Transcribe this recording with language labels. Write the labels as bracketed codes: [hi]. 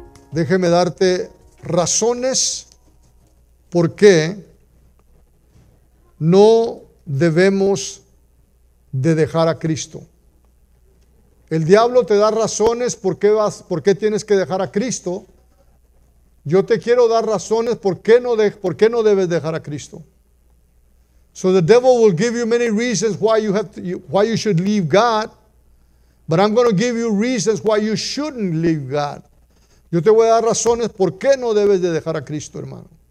[es] Déjeme darte razones por qué no debemos de dejar a Cristo. El diablo te da razones por qué tienes que dejar a Cristo. Yo te quiero dar razones por qué no debes dejar a Cristo. [en] So the devil will give you many reasons why you should leave God. But I'm going to give you reasons why you shouldn't leave God. [es] Yo te voy a dar razones por qué no debes de dejar a Cristo, hermano.